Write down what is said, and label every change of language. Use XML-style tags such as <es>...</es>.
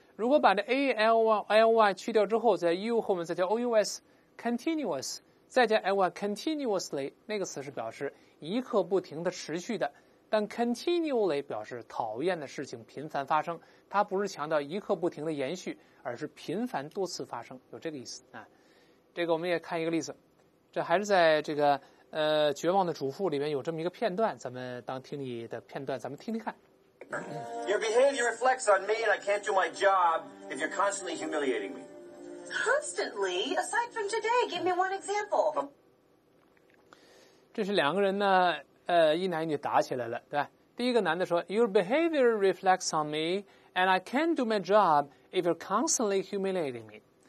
<zh>如果把这 ally 去掉之后，在 u 后面再加 ous, continuous, 再加 ly, continuously, 那个词是表示一刻不停的持续的，但 continually 表示讨厌的事情频繁发生，它不是强调一刻不停的延续，而是频繁多次发生，有这个意思啊。这个我们也看一个例子，这还是在这个绝望的主妇里面有这么一个片段，咱们当听你的片段，咱们听听看。</zh> <en>Your behavior reflects on me and I can't do my job if you're constantly humiliating me. Constantly? Aside from today, give me one example.</en> <zh>这是两个人呢，一男一女打起来了，对吧？第一个男的说</zh> <en>，Your behavior reflects on me, and I can't do my job if you're constantly humiliating me.</en>